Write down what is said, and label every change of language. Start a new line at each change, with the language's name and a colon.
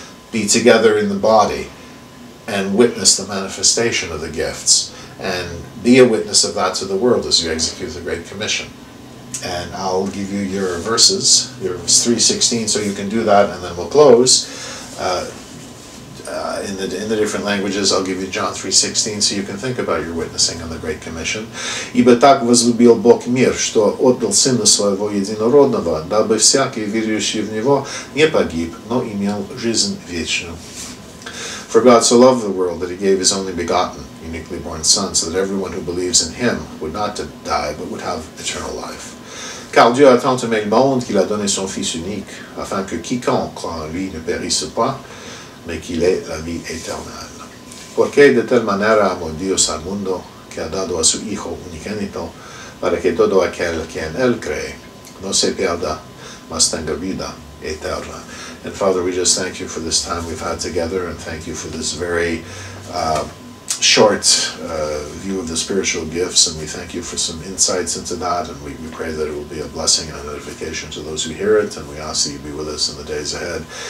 English: Be together in the body and witness the manifestation of the gifts and be a witness of that to the world as you execute the Great Commission. And I'll give you your verses, your 3:16, so you can do that, and then we'll close. In the different languages, I'll give you John 3:16, so you can think about your witnessing on the Great Commission.
Russian: Ибо так возлюбил Бог мир, что отдал Сына Своего Единородного, дабы всякий, верующий в Него, не погиб, но имел жизнь вечную.
English: For God so loved the world that He gave His only begotten, uniquely born Son, so that everyone who believes in Him would not die, but would have eternal life.
French: Car Dieu a tant aimé le monde qu'il a donné son Fils unique, afin que quiconque croit en lui ne périsse pas, mais qu'il ait la vie éternelle.
Spanish: Porque de telle manera amó Dios al mundo, que ha dado a su Hijo unigénito, para que todo aquel que en él cree, no se pierda, mas tenga vida eterna.
English: And Father, we just thank you for this time we've had together, and thank you for this very short view of the spiritual gifts, and we thank you for some insights into that, and we pray that it will be a blessing and an edification to those who hear it, and we ask that you be with us in the days ahead.